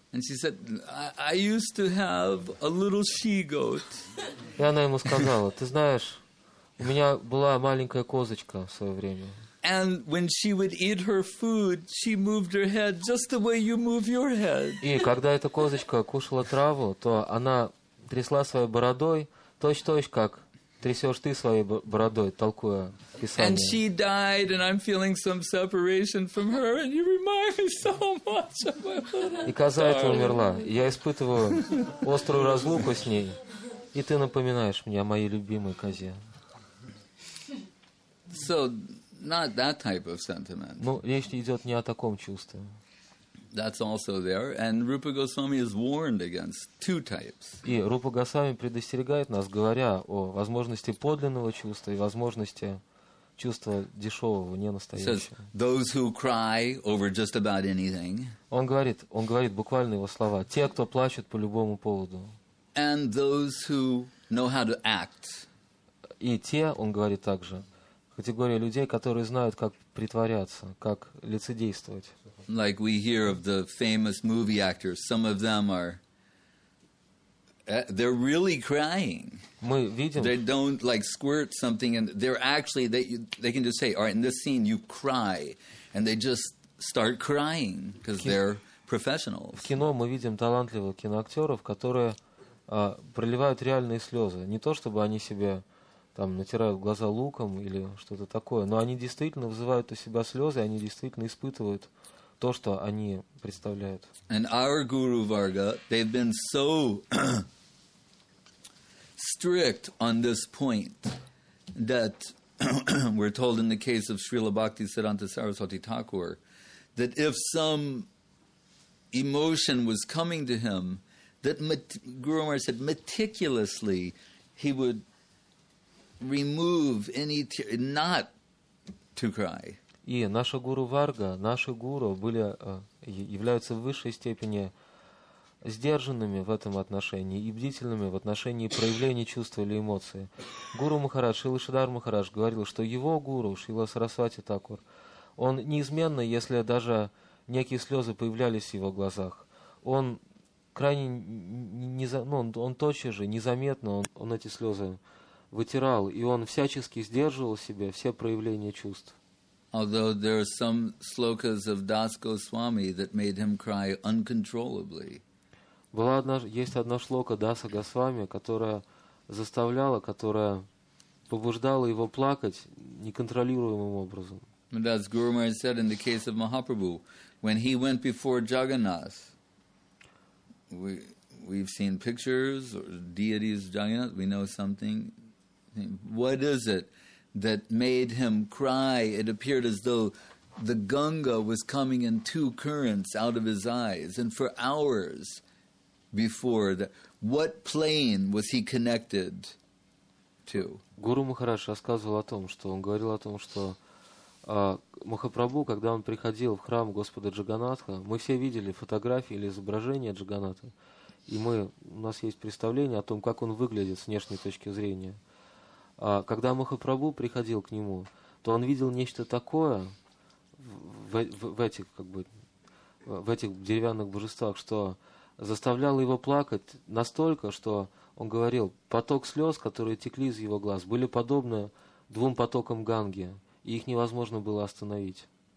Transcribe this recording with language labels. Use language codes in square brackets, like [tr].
[en] And she said, I used to have a little she-goat. [ru] И она ему сказала, ты знаешь, у меня была маленькая козочка в свое время. [en] And when she would eat her food, she moved her head just the way you move your head. [ru] И когда эта козочка кушала траву, то она трясла своей бородой точь-точь, как трясешь ты своей бородой, толкуя Писание. [en] And she died, and I'm feeling some separation from her, and you remind me so much of my little darling. [ru] И коза эта умерла. Я испытываю острую разлуку с ней, и ты напоминаешь мне о моей любимой козе. [en] So, not that type of sentiment. [ru] Ну, речь идет не о таком чувстве. [en] That's also there, and Rupa Goswami is warned against two types. [ru] И Рупа Госвами предостерегает нас, говоря о возможности подлинного чувства и возможности чувства дешевого, ненастоящего. [en] Says those who cry over just about anything. [ru] Он говорит буквально его слова. Те, кто плачет по любому поводу. [en] And those who know how to act. [ru] И те, он говорит также, категория людей, которые знают, как притворяться, как лицедействовать. [en] Like we hear of the famous movie actors, some of them are, they're really crying. [ru] Мы видим. [en] They don't like squirt something, and they're actually, they can just say, all right, in this scene you cry, and they just start crying, because they're professionals. [ru] В кино мы видим талантливых киноактеров, которые проливают реальные слезы. Не то, чтобы они себе там натирают глаза луком или что-то такое, но они действительно вызывают у себя слезы, они действительно испытывают то, что они представляют. [en] And our Guru Varga, they've been so strict on this point that we're told in the case of Srila Bhakti Siddhanta Saraswati Thakur, that if some emotion was coming to him, that Guru Maharaj said meticulously he would remove any not to cry. [ru] И наша гуру Варга, наши гуру были, являются в высшей степени сдержанными в этом отношении и бдительными в отношении проявления чувства или эмоции. Гуру Махарадж, Шрила Шридхар Махарадж говорил, что его гуру, Шрила Сарасвати Такур, он неизменно, если даже некие слезы появлялись в его глазах, он крайне он тотчас же, незаметно, он эти слезы вытирал, и он всячески сдерживал в себе все проявления чувств. [en] Although there are some slokas of Das Goswami that made him cry uncontrollably. [ru] Была одна, есть одна шлока Даса Госвами, которая заставляла, которая побуждала его плакать неконтролируемым образом. [en] As Guru Maharaj said in the case of Mahaprabhu, when he went before Jagannath, we've seen pictures or deities of Jagannath, we know something. What is it that made him cry? It appeared as though the Ganga was coming in two currents out of his eyes, and for hours before that, what plane was he connected to? [ru] Guru Maharaj рассказывал о том, что он говорил о том, что Махапрабху, когда он приходил в храм Господа Джаганнатха, мы все видели фотографии или изображения Джаганнатха, и у нас есть представление о том, как он выглядит с внешней точки зрения. Когда Махапрабху приходил к нему, то он видел нечто такое в этих деревянных божествах, что заставляло его плакать настолько, что он говорил, поток слез, которые текли из его глаз, были подобны двум потокам Ганги, и их невозможно было остановить.